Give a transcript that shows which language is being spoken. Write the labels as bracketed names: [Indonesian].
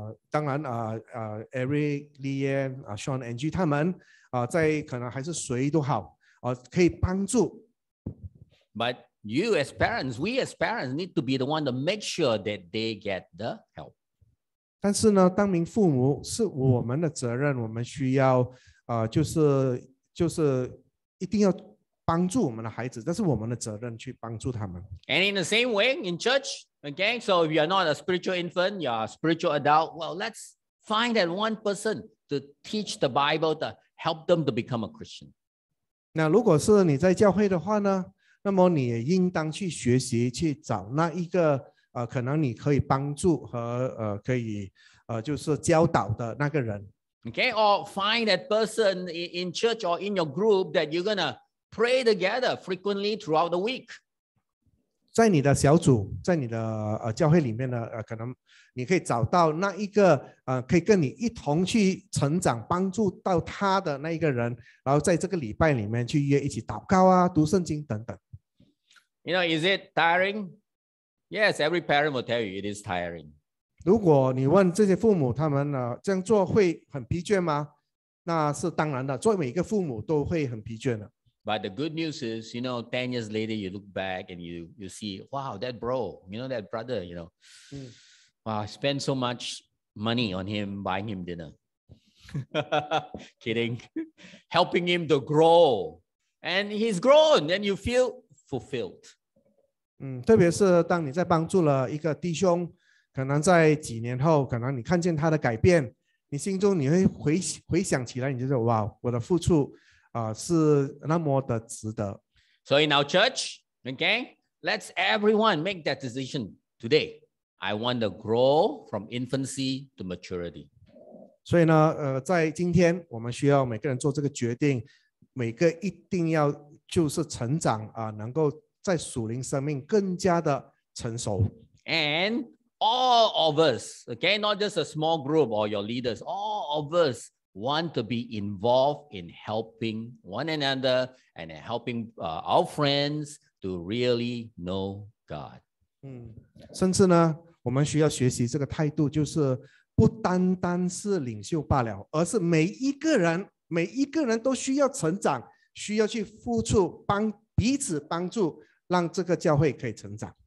[Chinese] 当然 Eric, Lee and Sean, Angie, 他们在可能还是谁都好，可以帮助。 [English] But you as parents, we as parents need to be the one to make sure that they get the help. [Chinese] 但是呢，当名父母是我们的责任，我们需要就是一定要帮助我们的孩子，这是我们的责任去帮助他们。 [English] And in the same way, in church, okay, so if you are not a spiritual infant, you are a spiritual adult, well, let's find that one person to teach the Bible to help them to become a Christian. [Chinese] 那如果是你在教会的话呢？那么你也应当去学习，去找那一个可能你可以帮助和可以就是教导的那个人。 [English] Okay, or find that person in church or in your group that you're gonna pray together frequently throughout the week. [Chinese] 在你的小组，在你的教会里面呢，可能你可以找到那一个可以跟你一同去成长、帮助到他的那一个人，然后在这个礼拜里面去约一起祷告啊、读圣经等等。 [English] You know, is it tiring? Yes, every parent will tell you it is tiring. [Chinese] 如果你问这些父母，他们这样做会很疲倦吗？那是当然的，作为每一个父母都会很疲倦的。 [English] But the good news is, you know, 10 years later, you look back and you see, wow, that bro, you know, that brother, you know, wow, I spent so much money on him, buying him dinner. Kidding. Helping him to grow. And he's grown, and you feel... fulfilled. [Chinese] 特别是当你在帮助了一个弟兄，可能在几年后，可能你看见他的改变，你心中你会回想起来，你就说，哇，我的付出是那么的值得。 [English] So in our church, okay, let's everyone make that decision today. I want to grow from infancy to maturity. [Chinese] 所以呢，在今天，我们需要每个人做这个决定，每个一定要。就是成长能够在属灵生命更加的成熟。 [English] And all of us, okay, not just a small group or your leaders, all of us want to be involved in helping one another and helping our friends to really know God. [Chinese] 甚至呢，我们需要学习这个态度，就是不单单是领袖罢了，而是每一个人都需要成长。需要去付出帮彼此帮助让这个教会可以成长。